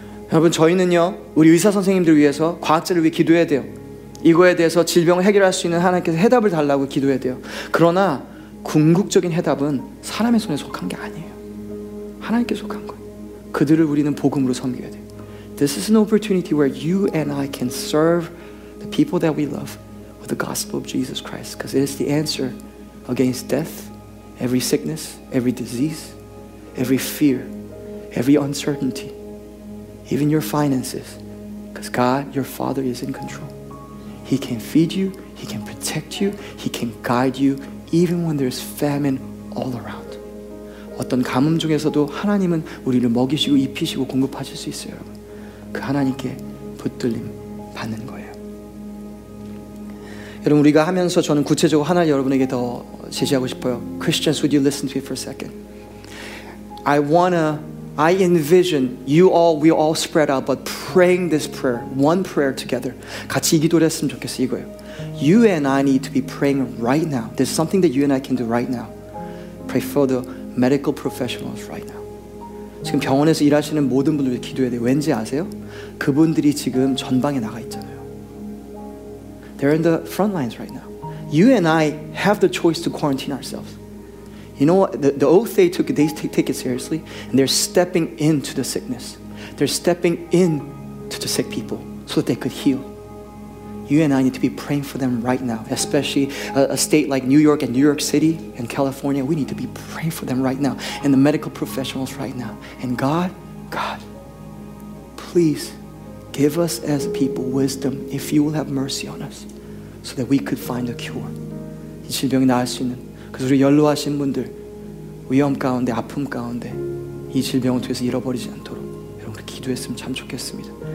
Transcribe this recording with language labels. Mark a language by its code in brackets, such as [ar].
[ko] 여러분 저희는요 우리 의사 선생님들을 위해서 과학자를 위해 기도해야 돼요. 이거에 대해서 질병을 해결할 수 있는 하나님께서 해답을 달라고 기도해야 돼요. 그러나 궁극적인 해답은 사람의 손에 속한 게 아니에요. 하나님께 속한 거예요. 그들을 우리는 복음으로 섬겨야 돼요. [en] This is an opportunity where you and I can serve the people that we love with the gospel of Jesus Christ because it is the answer against death, every sickness, every disease, every fear, every uncertainty, even your finances, because God, your Father, is in control. He can feed you, He can protect you, He can guide you, even when there's famine all around. [ko] 어떤 가뭄 중에서도 하나님은 우리를 먹이시고 입히시고 공급하실 수 있어요, 여러분. 그 하나님께 붙들림 받는 거예요. 여러분, 우리가 하면서 저는 구체적으로 하나를 여러분에게 더 제시하고 싶어요. [en] Christians, would you listen to me for a second? I envision you all, we all spread out, but praying this prayer, one prayer together. [ko] 같이 이 기도를 했으면 좋겠어요, 이거예요. [en] You and I need to be praying right now. There's something that you and I can do right now. Pray for the medical professionals right now. [ko] 지금 병원에서 일하시는 모든 분들 기도해야 돼요. 왠지 아세요? 그분들이 지금 전방에 나가 있잖아요. [en] They're in the front lines right now. You and I have the choice to quarantine ourselves. You know what? The oath they took, they take it seriously. And they're stepping into the sickness. They're stepping into the sick people so that they could heal. You and I need to be praying for them right now. Especially a state like New York and New York City and California. We need to be praying for them right now. And the medical professionals right now. And God, please give us as people wisdom if you will have mercy on us so that we could find a cure. [ko] 이 질병이 나을 수 있는 그래서 우리 연로하신 분들 위험 가운데 아픔 가운데 이 질병을 통해서 잃어버리지 않도록 여러분 기도했으면 참 좋겠습니다.